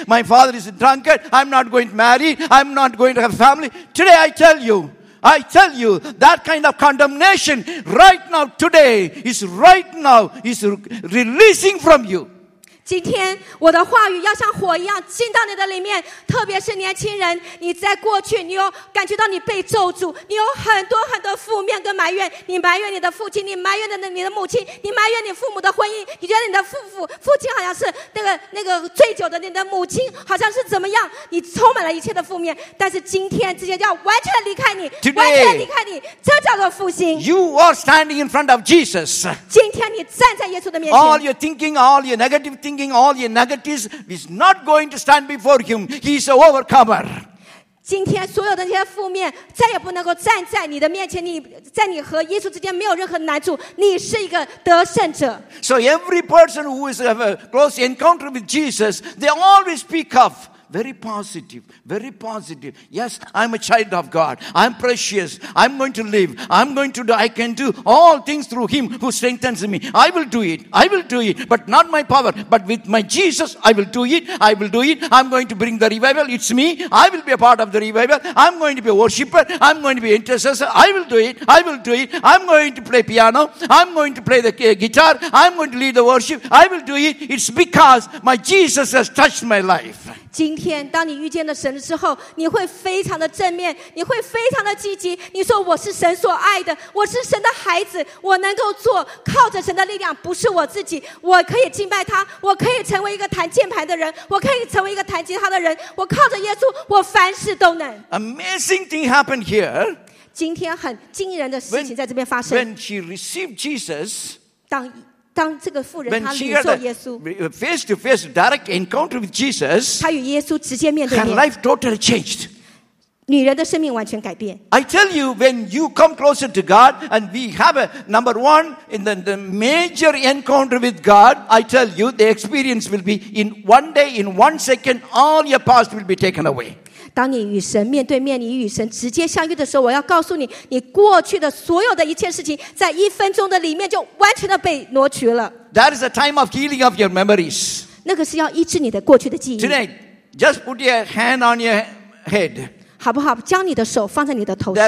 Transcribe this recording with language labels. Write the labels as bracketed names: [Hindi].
[English] My father is a drunkard. I'm not going to marry. I'm not going to have family. Today I tell you, that kind of condemnation right now, today, is releasing from you. [Chinese] 今天我的话语要像火一样进到你的里面特别是年轻人你在过去你有感觉到你被咒诅你有很多很多负面跟埋怨你埋怨你的父亲你埋怨你的母亲你埋怨你父母的婚姻你觉得你的父亲好像是那个醉酒的你的母亲好像是怎么样你充满了一切的负面但是今天这些要完全的离开你 [English] Today, [Chinese] 完全的离开你这叫做复兴 [English] You are standing in front of Jesus [Chinese] 今天你站在耶稣的面前 [English] All your thinking, all your negative thinkingAll your negatives is not going to stand before him. He's an overcomer. [Chinese] 今天所有的那些负面再也不能够站在你的面前你在你和耶稣之间没有任何难处你是一个得胜者。 [English] So every person who has a close encounter with Jesus, they always speak of very positive, very positive. Yes, I'm a child of God. I'm precious. I'm going to live. I'm going to do. I can do all things through him who strengthens me. I will do it. I will do it. But not my power. But with my Jesus, I will do it. I will do it. I'm going to bring the revival. It's me. I will be a part of the revival. I'm going to be a worshiper. I'm going to be an intercessor. I will do it. I will do it. I'm going to play piano. I'm going to play the guitar. I'm going to lead the worship. I will do it. It's because my Jesus has touched my life. [Chinese] 今天当你遇见了神之后你会非常的正面你会非常的积极你说我是神所爱的我是神的孩子我能够做靠着神的力量不是我自己我可以敬拜他我可以成为一个弹键盘的人我可以成为一个弹吉他的人我靠着耶稣我凡事都能 [English] Amazing thing happened here [Chinese] 今天很惊人的事情在这边发生 [English] when she received Jesus [Chinese] 当这个妇人她领受耶稣 [English] face to face direct encounter with Jesus [Chinese] 她与耶稣直接面对面 [English] her life totally changed [Chinese] 女人的生命完全改变 [English] I tell you when you come closer to God and we have a number one in the major encounter with God I tell you the experience will be in one day in one second all your past will be taken away [Chinese] 当你与神面对面你与神直接相遇的时候我要告诉你你过去的所有的一切事情在一分钟的里面就完全的被挪取了 [English] That is the time of healing of your memories [Chinese] 那个是要医治你的过去的记忆 [English] Today, just put your hand on your head [Chinese] 好不好将你的手放在你的头上